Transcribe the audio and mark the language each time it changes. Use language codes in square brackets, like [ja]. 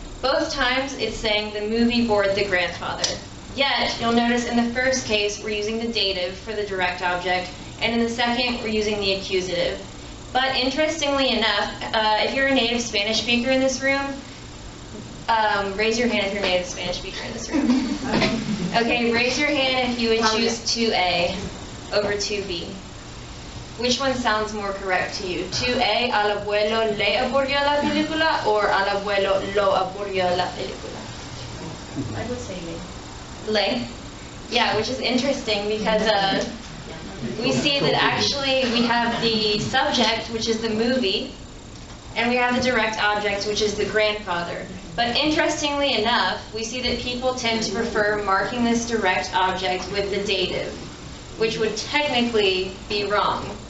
[en] Both times it's saying the movie bored the grandfather. Yet, you'll notice in the first case we're using the dative for the direct object, and in the second we're using the accusative. But interestingly enough, if you're a native Spanish speaker in this room, raise your hand if you're a native Spanish speaker in this room. Okay, raise your hand if you would choose 2A over 2B. Which one sounds more correct to you? [es] 2A, al abuelo le aburrió la película, or al abuelo lo aburrió la película? [en] I would say le. [es] Le? [en] Yeah, which is interesting because we see that actually we have the subject, which is the movie, and we have the direct object, which is the grandfather. But interestingly enough, we see that people tend to prefer marking this direct object with the dative, which would technically be wrong.